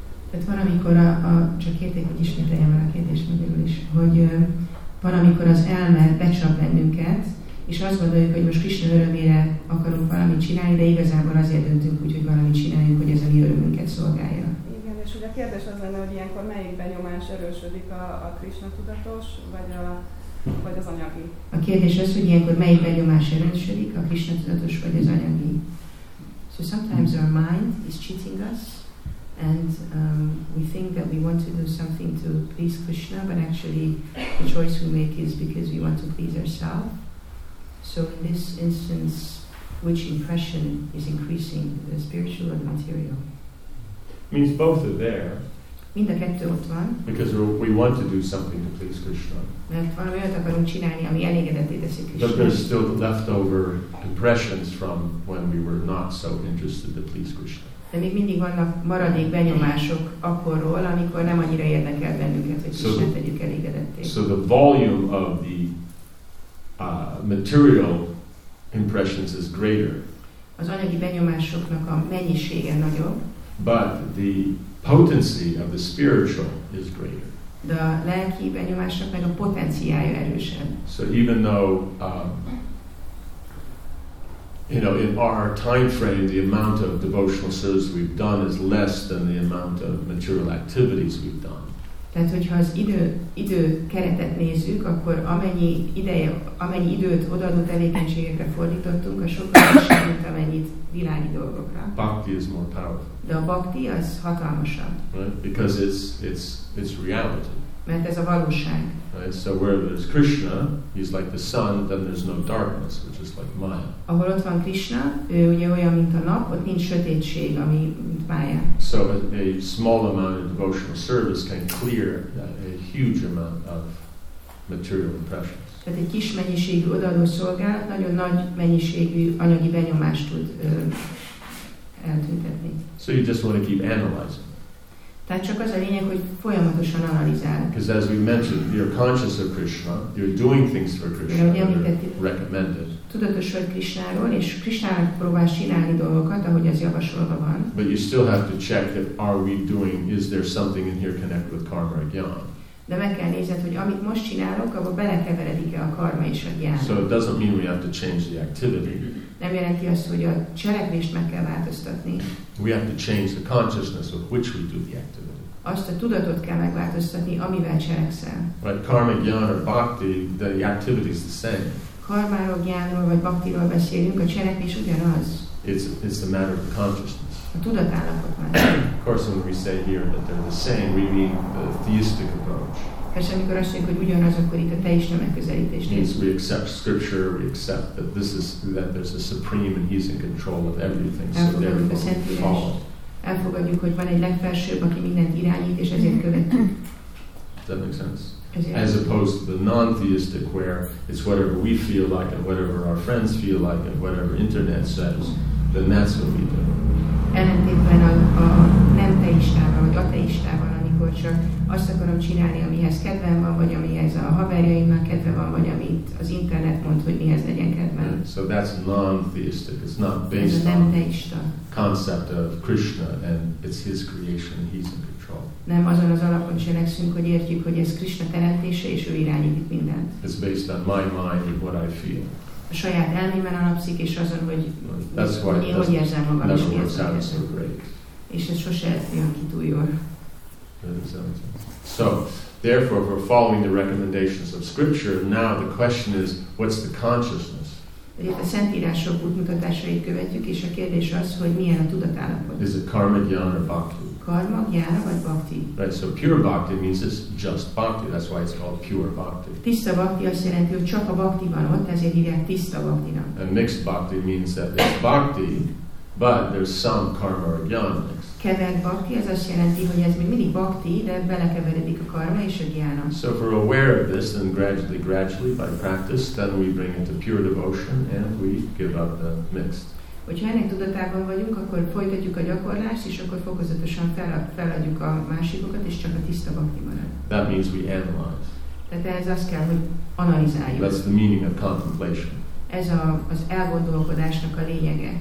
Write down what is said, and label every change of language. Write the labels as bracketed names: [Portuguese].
[Hungarian] Tehát van, amikor a csak érték, hogy ismételjem el a kérdés magyarul is, hogy van, amikor az elme becsap bennünket, és azt gondoljuk, hogy most Krisna örömére akarunk valamit csinálni, de igazából azért döntünk úgy, hogy valamit csináljunk, hogy ez a mi örömünket szolgálja. Igen, és ugye a kérdés az lenne, hogy ilyenkor melyik benyomás erősödik, a Krisna tudatos, vagy az anyagi? A kérdés az, hogy ilyenkor melyik benyomás erősödik, a Krisna tudatos, vagy az anyagi. [English] So sometimes our mind is cheating us, and we think that we want to do something to please Krishna, but actually the choice we make is because we want to please ourselves. So in this instance, which impression is increasing, the spiritual or the material? Means both are there. [Hungarian] Mind a kettő ott van. [English] Because we want to do something to please Krishna. [Hungarian] Mert valami olyat akarunk csinálni, ami elégedetté teszi Krishna. [English] But there's still leftover impressions from when we were not so interested to please Krishna. [Hungarian] De még mindig vannak maradék benyomások akkorról, amikor nem annyira érdekel bennünket, hogy Krishna tegyük elégedetté. [English] So the volume of the material impressions is greater. [Hungarian] Az anyagi benyomásoknak a mennyisége nagyobb. [English] But the potency of the spiritual is greater. [Hungarian] De a lelki benyomásnak meg a potenciája erősebb. [English] So even though you know, in our time frame, the amount of devotional service we've done is less than the amount of material activities we've done. [Hungarian] Tehát, hogyha az idő keretet nézzük, akkor amennyi időt odaadott tevékenységekre fordítottunk, a sokkal kisebb, mint amennyit világi dolgokra. [English] Bhakti is more powerful. [Hungarian] De a bhakti az hatalmasabb. [English] Right? Because it's reality. [Hungarian] Mert ez a valóság. [English] Right? So where there's Krishna, he's like the sun, then there's no darkness, which is like Maya. [Hungarian] Ahol ott van Krishna, ő ugye olyan, mint a nap, ott nincs sötétség, ami mint Maya. [English] So a small amount of devotional service can clear a huge amount of material impressions. [Hungarian] Tehát egy kis mennyiségű odaadó szolgálat nagyon nagy mennyiségű anyagi benyomást tud eltüntetni. [English] So you just want to keep analyzing. [Hungarian] Tehát csak az a lényeg, hogy folyamatosan analizál. [English] Because as we mentioned, you're conscious of Krishna, you're doing things for Krishna, you're recommended. [Hungarian] Tudatos vagy Krishnáról, és Krishnának próbálsz csinálni dolgokat, ahogy az javasolva van. [English] But you still have to check if are we doing, is there something in here connected with karma or jnana? [Hungarian] De meg kell nézed, hogy amit most csinálok, abba belekeveredik-e a karma és a jnana. [English] So it doesn't mean we have to change the activity. [Hungarian] Nem jelenti azt, hogy a cselekvést meg kell változtatni. [English] We have to change the consciousness of which we do the activity. [Hungarian] Azt a tudatot kell megváltoztatni, amivel cselekszel. [English] Right, karma, jnana, bhakti, the activity is the same. [Hungarian] Karmáról, jnánról vagy bhaktiról beszélünk, a cselekvés ugyanaz. [English] It's a matter of consciousness. [Hungarian] A tudatállapot már. [English] Of course, when we say here that they're the same, we mean the theistic approach. [Hungarian] Persze, amikor azt mondjuk, hogy ugyanaz, akkor itt a teista megközelítést. [English] Means we accept scripture, we accept that this is, that there's a supreme and he's in control of everything, [Hungarian] elfogadjuk, [English] so therefore we follow. [Hungarian] Elfogadjuk, hogy van egy legfelsőbb, aki mindent irányít, és ezért követünk. [English] Does that make sense? As opposed to the non-theistic, where it's whatever we feel like and whatever our friends feel like and whatever internet says, then that's what we do. [Hungarian] Ellentétben a nem teistával vagy ateistával, amikor csak azt akarom csinálni, amihez kedvem van, vagy amihez a haverjaimnak kedve van, vagy amit az internet mond, hogy mihez legyen kedvem. [English] So that's non-theistic. It's not based on the concept of Krishna and it's his creation, he's in control. [Hungarian] Nem azon az alapon cselekszünk, hogy értjük, hogy ez Krishna teremtése, és ő irányít mindent. [English] It's based on my mind and what I feel. [Hungarian] A saját elmében alapszik, és azon, hogy [English] that's [Hungarian] én hogy érzem magam, és mi az érzem. [English] So [Hungarian] és ez sose jön ki túl jól. [English] So, therefore, if we're following the recommendations of Scripture, now the question is, what's the consciousness? [Hungarian] a szentírások útmutatásait követjük, és a kérdés az, hogy milyen a tudatállapot. [English] Is it karma, jnana, bhakti? [Hungarian] Karma, jnana, vagy bhakti? [English] Right, so pure bhakti means it's just bhakti. That's why it's called pure bhakti. [Hungarian] Tiszta bhakti azt jelenti, hogy csak a bhakti van ott, ezért hívják tiszta bhaktinak. [English] And mixed bhakti means that there's bhakti, but there's some karma or jnana mixed. [Hungarian] Kevert bhakti az azt jelenti, hogy ez még mindig bhakti, de belekeveredik a karma és a jnana. [English] So if we're aware of this, then gradually by practice, then we bring into pure devotion and we give up the mixed. [Hungarian] Hogyha ennek tudatában vagyunk, akkor folytatjuk a gyakorlást, és akkor fokozatosan feladjuk a másikokat, és csak a tiszta bhakti marad. [English] That means we analyze. [Hungarian] Tehát ez azt kell, hogy analizáljuk. [English] That's the meaning of contemplation. [Hungarian] Ez a, az elgondolkodásnak a lényege.